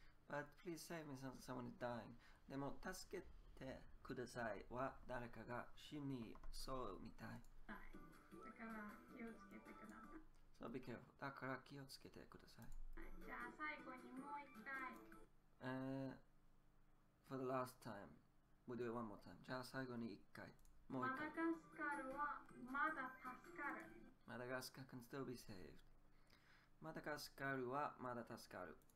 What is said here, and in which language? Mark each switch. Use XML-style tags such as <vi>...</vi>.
<en>But please save me, someone is dying.</en> <ja>でも、助けてくださいは誰かが死にそうみたい。はい。だから気をつけてください。</ja> <en>So be careful.</en> <ja>だから気をつけてください。じゃあ最後にもう一回。</ja> <en>For the last time, we'll do it one more time.</en> <ja>じゃあ最後に一回。もう一回。マダガスカルはまだ助かる。</ja> <en>マダガスカル can still be saved.</en> <ja>マダガスカルはまだ助かる。</ja>